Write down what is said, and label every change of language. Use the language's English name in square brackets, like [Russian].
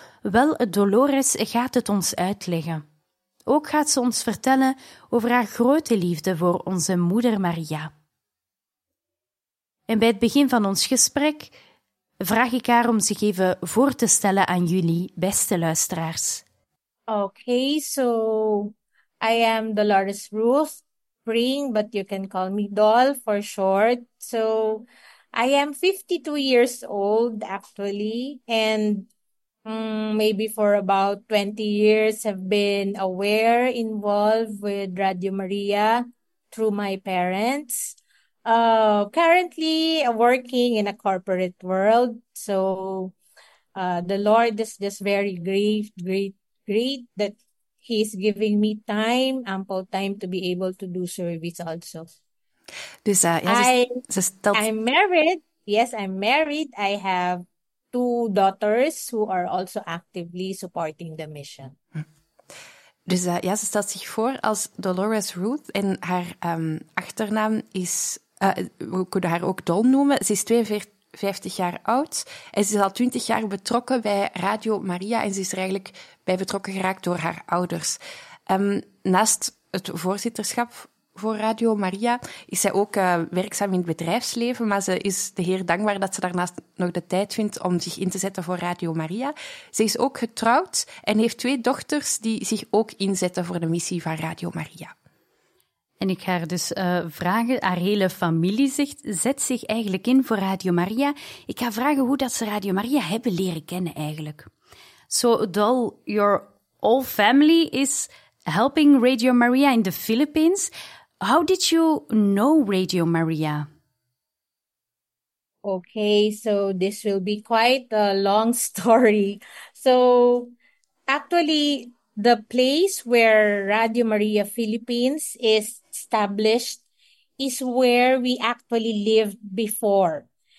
[Dutch] Wel, Dolores gaat het ons uitleggen. Ook gaat ze ons vertellen over haar grote liefde voor onze moeder Maria. En bij het begin van ons gesprek vraag ik haar om zich even voor te stellen aan jullie, beste luisteraars. [English] Okay, so I am Dolores Ruth. But you can call me Dol for short. So I am 52 years old actually, and maybe for about 20 years have been aware, involved with Radio Maria through my parents. Currently working in a corporate world. So the Lord is just very great that He's giving me time, ample time to be able to do service also. [Dutch] Dus [English] I'm married. Yes, I'm married. I have two daughters who are also actively supporting the mission. [Dutch] Dus ze stelt zich voor als Dolores Ruth en haar achternaam is, we kunnen haar ook Dol noemen, ze is 52 jaar oud en ze is al 20 jaar betrokken bij Radio Maria en ze is er eigenlijk bij betrokken geraakt door haar ouders. Naast het voorzitterschap voor Radio Maria is zij ook werkzaam in het bedrijfsleven, maar ze is de Heer dankbaar dat ze daarnaast nog de tijd vindt om zich in te zetten voor Radio Maria. Ze is ook getrouwd en heeft twee dochters die zich ook inzetten voor de missie van Radio Maria. En ik ga haar dus vragen, haar hele familie zet zich eigenlijk in voor Radio Maria. Ik ga vragen hoe dat ze Radio Maria hebben leren kennen eigenlijk. [English] So, Dol, your whole family is helping Radio Maria in the Philippines. How did you know Radio Maria? Okay, so this will be quite a long story. So, actually, the place where Radio Maria Philippines is established is where we actually lived before.